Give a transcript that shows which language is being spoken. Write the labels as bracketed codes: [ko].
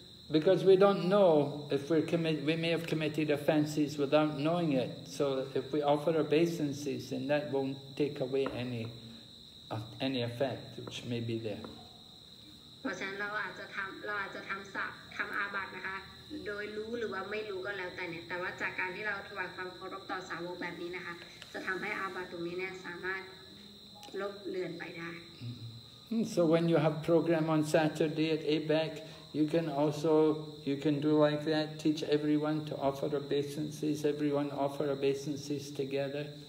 [en] Because we don't know if we may have committed offenses without knowing it. So if we offer obeisances, then that won't take away any effect which may be there. [th] เพราะฉะนั้นเราอาจจะทำอาบัตนะคะโดยรู้หรือว่าไม่รู้ก็แล้วแต่เนี่ยแต่ว่าจากการที่เราถวายความเคารพต่อสาวกแบบนี้นะคะจะทำให้อาบัตตรงนี้เนี่ยสามารถลบเลือนไปได้ [en] So when you have program on Saturday at ABEC, you can do like that, teach everyone to offer obeisances, everyone offer obeisances together.